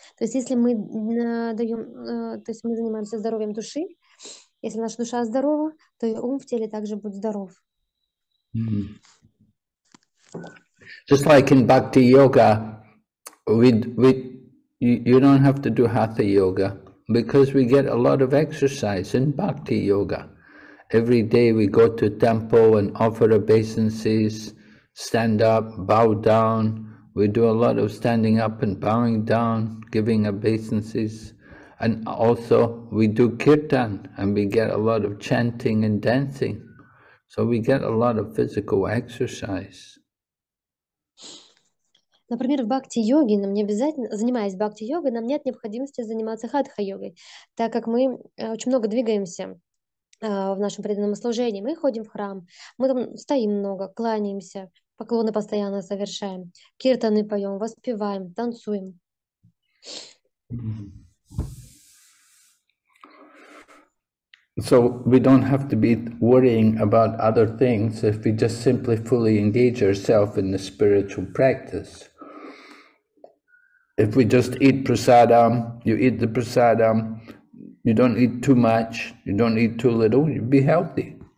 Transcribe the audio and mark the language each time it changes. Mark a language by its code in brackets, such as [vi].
[ru] То есть если мы даем, то есть мы занимаемся здоровьем души, если наша душа здорова, то и ум в теле также будет здоров. [en] Just like in bhakti yoga, you don't have to do hatha yoga because we get a lot of exercise in bhakti yoga. Every day we go to temple and offer obeisances, stand up, bow down. We do a lot of standing up and bowing down, giving obeisances. And also we do kirtan and we get a lot of chanting and dancing. So we get a lot of physical exercise. [ru] Например, в бхакти-йоге нам не обязательно, занимаясь бхакти-йогой, нам нет необходимости заниматься хатха-йогой, так как мы очень много двигаемся в нашем преданном служении. Мы ходим в храм, мы там стоим много, кланяемся, поклоны постоянно совершаем, киртаны поем, воспеваем, танцуем. [en] So we don't have to be worrying about other things if we just simply fully engage ourselves in the spiritual practice. If we just eat prasadam, you eat the prasadam, you don't eat too much, you don't eat too little, you'll be healthy.